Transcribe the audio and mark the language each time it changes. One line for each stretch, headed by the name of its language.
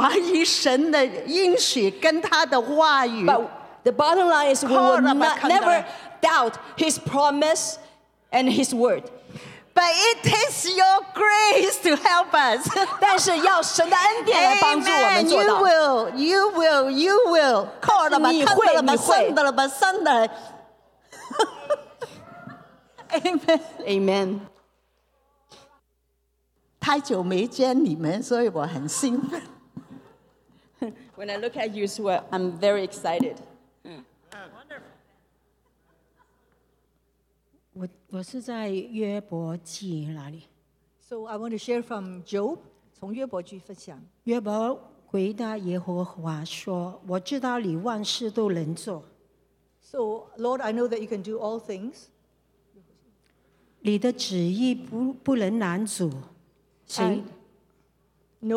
Chinese: 我们不怀疑神的应许跟他的话语,
English: but the bottom line is we will never doubt His promise and His word. But it takes your grace to help us.
Chinese: 但是要神的恩典来帮助我们做到。
English: Amen, you will.
Chinese: 靠了吧，看到了吧，信了吧，信了。
English: Amen. Amen.
Chinese: 太久没见你们，所以我很兴奋。
English: When I look at you, so I'm very excited. Wonderful. So I want to share from Job,
Chinese: 从约伯记分享。约伯回答耶和华说，我知道你万事都能做。
English: So Lord, I know that you can do all things.
Chinese: 你的旨意不能拦阻，谁？No